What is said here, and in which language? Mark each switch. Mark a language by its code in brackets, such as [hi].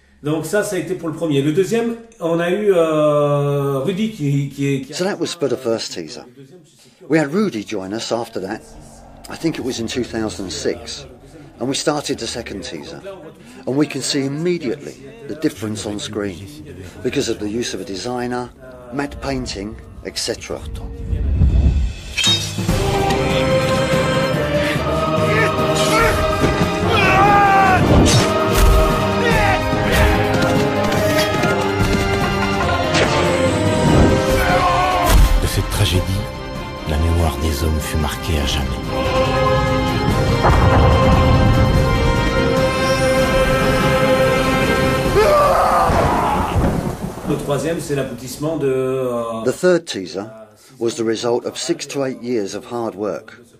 [fr] Donc ça, ça a été pour le premier. Le deuxième, on a eu Rudy qui [en] So that was for the first teaser. We had Rudy join us after that. I think it was in 2006. And we started the second teaser. And we can see immediately the difference on screen because of the use of a designer, matte painting, etc. [fr] Tragédie, la mémoire des hommes fut marquée à jamais. Le troisième, c'est l'aboutissement de. [en] The third teaser was the result of 6 to 8 years of hard work.